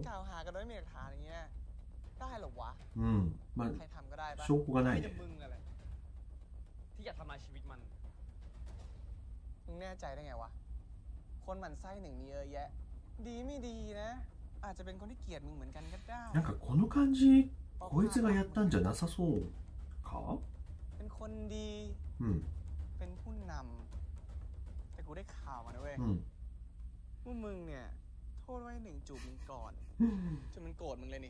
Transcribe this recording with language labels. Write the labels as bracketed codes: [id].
[th] กล่าวหากันด้วยมีหลักฐานอย่างเงี้ยได้หรอวะ มัน ใครทำก็ได้ปะ โชคก็ได้ ที่ จะมึงอะไรที่จะทำลายชีวิตมันมึงแน่ใจได้ไงวะคนหมั่นไส้หนึ่งมีเยอะแยะดีไม่ดีนะอาจจะเป็นคนที่เกลียดมึงเหมือนกันก็ได้ [ja] なんかこの感じこいつがやったんじゃなさそうか [th] เป็นคนดีเป็นผู้นำแต่กูได้ข่าวมาด้วยว่ามึงเนี่ยโทษไว้หนึ่งจูบมึงก่อนจนมันโกรธมึงเลยนี